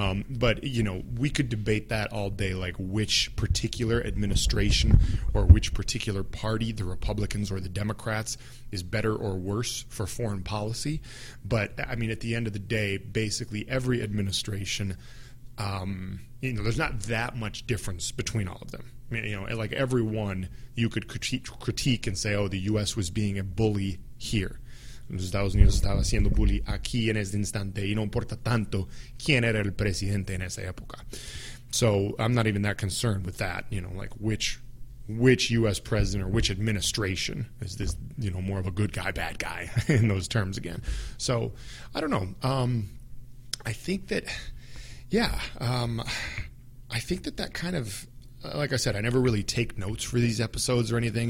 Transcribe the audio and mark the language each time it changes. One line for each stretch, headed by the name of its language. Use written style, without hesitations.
English: But, you know, we could debate that all day, like which particular administration or which particular party, the Republicans or the Democrats, is better or worse for foreign policy. But, I mean, at the end of the day, basically every administration, you know, there's not that much difference between all of them. I mean, you know, like everyone you could critique and say, oh, the U.S. was being a bully here.
Spanish: Los Estados Unidos estaba siendo bully aquí en este instante y no importa tanto quién era el presidente en esa época.
English: So I'm not even that concerned with that, you know, like which U.S. president or which administration is this, you know, more of a good guy, bad guy in those terms again. So I don't know. I think that kind of, like I said, I never really take notes for these episodes or anything.